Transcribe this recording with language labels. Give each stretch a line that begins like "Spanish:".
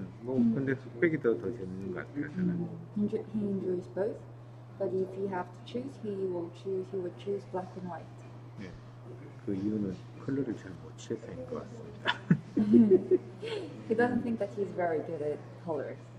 Korean: 뭐 근데 흑백이 더 재밌는 것 같아요.
English: He enjoys both, but if he have to choose, he would choose black and white.
Korean: 네, 그 이유는 컬러를 잘 못 칠해서인 것 같습니다.
English: He doesn't think that he's very good at colors.